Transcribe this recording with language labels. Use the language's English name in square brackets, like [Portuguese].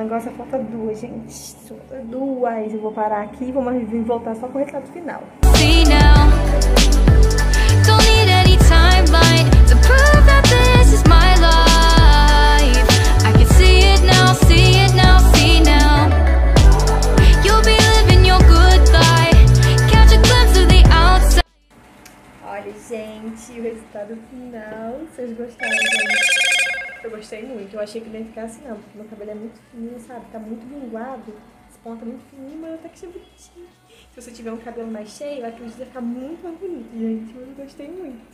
[Portuguese] Agora só falta duas, gente. Só falta duas. Eu vou parar aqui e vamos voltar só com o retrato final. [English] See now. Don't need any timeline to prove that this is my life. I can see it now, see it now, see now. You'll be living your goodbye. Catch a glimpse of the outside. [Portuguese] Olha, gente, o resultado final. Vocês gostaram, gente? Eu gostei muito. Eu achei que não ia ficar assim, não. Porque meu cabelo é muito fininho, sabe? Tá muito minguado. As pontas muito fininhas, mas até que achei bonitinho. Se você tiver um cabelo mais cheio, vai precisar ficar muito mais bonito, gente. Eu gostei muito.